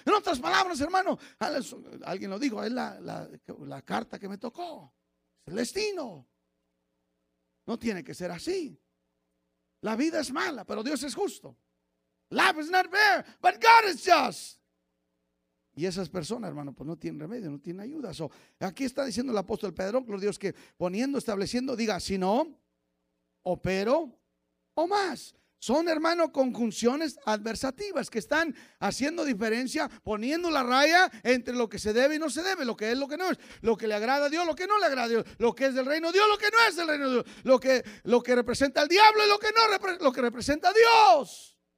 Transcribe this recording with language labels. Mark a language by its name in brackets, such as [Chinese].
[Spanish] En otras palabras, hermano, alguien lo dijo, es la carta que me tocó. El destino. No tiene que ser así. La vida es mala, pero Dios es justo. [English] Life is not fair, but God is just. [Spanish] Y esas personas, hermano, pues no tienen remedio, no tienen ayuda. So, aquí está diciendo el apóstol Pedro, gloria a Dios, que poniendo, estableciendo, diga, si no, o pero, o más. Son, hermano, conjunciones adversativas que están haciendo diferencia, poniendo la raya entre lo que se debe y no se debe, lo que es, lo que no es, lo que le agrada a Dios, lo que no le agrada a Dios, lo que es del reino de Dios, lo que no es del reino de Dios, lo que representa al diablo y lo que representa a Dios.